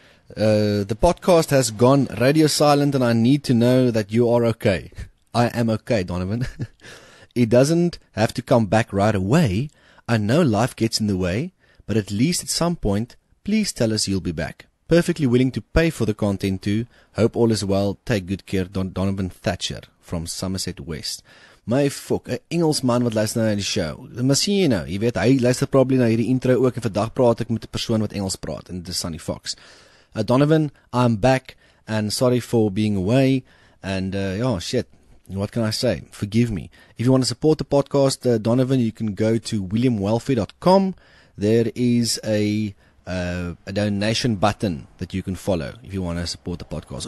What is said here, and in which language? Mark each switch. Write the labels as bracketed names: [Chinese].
[English] The podcast has gone radio silent and I need to know that you are okay. I am okay, Donovan. It doesn't have to come back right away. I know life gets in the way, but at least at some point, please tell us you'll be back. Perfectly willing to pay for the content too. Hope all is well. Take good care, Donovan Thatcher from Somerset West. My fuck, [Afrikaans] 'n Engelsman wat luister na die show. Masjien nou, jy weet, hy luister probably na hierdie intro ook en vandag praat ek met 'n persoon wat Engels praat, en dit is Sannie Fox. [English] Donovan, I'm back and sorry for being away and oh shit. What can I say? Forgive me. If you want to support the podcast, Donovan, you can go to williamwelfare.com. There is a donation button that you can follow if you want to support the podcast.